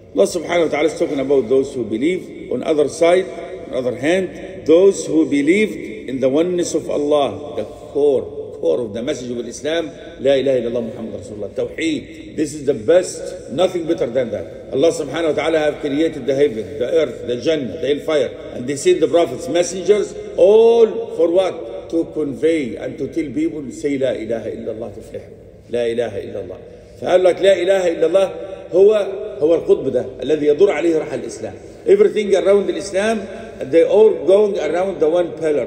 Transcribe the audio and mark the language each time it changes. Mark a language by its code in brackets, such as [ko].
[en] Allah subhanahu wa ta'ala is talking about those who believe. On other side, on other hand, those who believed in the oneness of Allah, the core of the message of Islam, [ar] La ilaha illallah Muhammad Rasulullah, [en] Tawheed. This is the best, nothing better than that. Allah subhanahu wa ta'ala have created the heaven, the earth, the Jannah, the hellfire, and they send the prophets, messengers, all for what? To convey and to tell people, say [ar] La ilaha illallah tuflih. La ilaha illallah. فقال لك لا إله إلا الله هو القطب ده الذي يدور عليه رحل الإسلام. [en] Everything around the Islam, they all going around the one pillar.